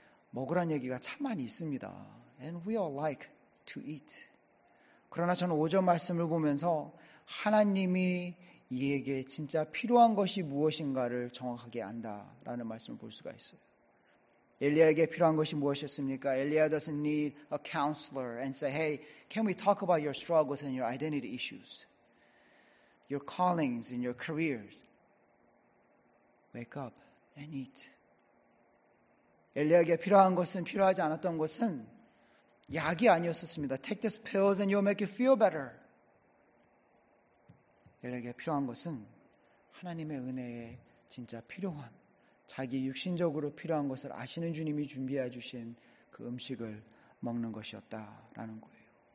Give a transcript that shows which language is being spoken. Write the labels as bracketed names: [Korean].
[Korean] 먹으란 얘기가 참 많이 있습니다. [English] And we all like to eat. [Korean] 그러나 저는 5절 말씀을 보면서 하나님이 이에게 진짜 필요한 것이 무엇인가를 정확하게 안다라는 말씀을 볼 수가 있어요. 엘리야에게 필요한 것이 무엇이었습니까? [English] 엘리야 doesn't need a counselor and say, hey, can we talk about your struggles and your identity issues? Your callings and your careers. Wake up and eat. [Korean] 엘리야에게 필요한 것은 필요하지 않았던 것은 약이 아니었었습니다. [English] Take these pills and you'll make you feel better. [Korean] 엘리야에게 필요한 것은 하나님의 은혜에 진짜 필요한 자기 육신적으로 필요한 것을 아시는 주님이 준비해 주신 그 음식을 먹는 것이었다라는 거예요.